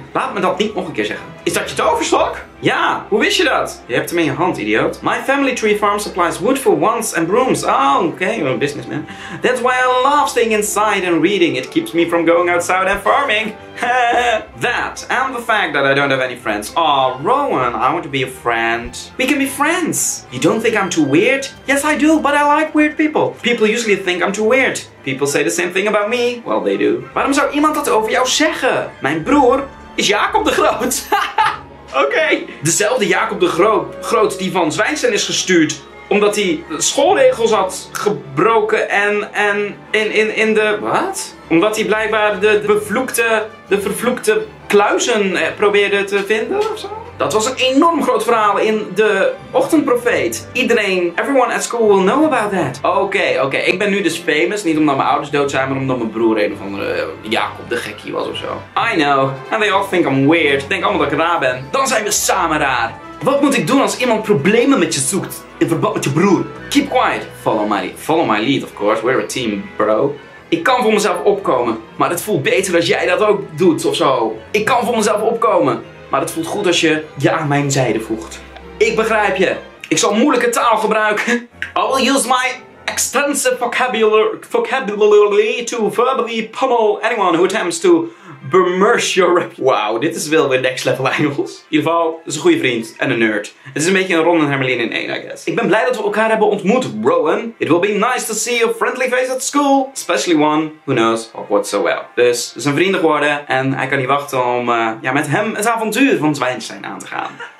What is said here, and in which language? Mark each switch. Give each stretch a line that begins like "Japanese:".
Dutch: Laat me dat niet nog een keer zeggen. Is dat je toverstok? Ja, hoe wist je dat? Je hebt hem in je hand, idioot.
English: My family tree farm supplies wood for wands and brooms. Oh, okay, you're a businessman. That's why I love staying inside and reading. It keeps me from going outside and farming. That, and the fact that I don't have any friends. Oh, Rowan, I want to be a friend. We can be friends. You don't think I'm too weird? Yes, I do, but I like weird people. People usually think I'm too weird. People say the same thing about me. Well, they do.
Dutch: Waarom zou iemand dat over jou zeggen? Mijn broer is Jacob de Groot. Oké. Dezelfde Jacob de Groot die van Zwijnsteen is gestuurd. Omdat hij schoolregels had gebroken en in de... Wat? Omdat hij blijkbaar de vervloekte kluizen probeerde te vinden of zo? Dat was een enorm groot verhaal in de Ochtendprofeet.
English: Everyone at school will know about that.
Dutch: Oké. Ik ben nu dus famous. Niet omdat mijn ouders dood zijn, maar omdat mijn broer een of andere Jacob de gekkie was of zo.
English: I know. And they all think I'm weird.
Dutch: Denk allemaal dat ik raar ben. Dan zijn we samen raar. Wat moet ik doen als iemand problemen met je zoekt in verband met je broer?
English: Keep quiet. Follow my lead, of course. We're a team, bro.
Dutch: Ik kan voor mezelf opkomen, maar het voelt beter als jij dat ook doet of zo. Ik kan voor mezelf opkomen, maar het voelt goed als je je aan mijn zijde voegt. Ik begrijp je. Ik zal moeilijke taal gebruiken.
English: I will use my extensive vocabulary to verbally pummel anyone who attempts to bemerge your rep.
Dutch: Wauw, dit is wel weer
English: next level angles.
Dutch: In ieder geval, is een goede vriend en een nerd. Het is een beetje een Ron en Hermeline in één,
English: I guess.
Dutch: Ik ben blij dat we elkaar hebben ontmoet, Rowan.
English: It will be nice to see a friendly face at school. Especially one who knows Hogwarts so well.
Dutch: Dus, we zijn vrienden geworden en hij kan niet wachten om met hem het avontuur van Zwijnstein aan te gaan.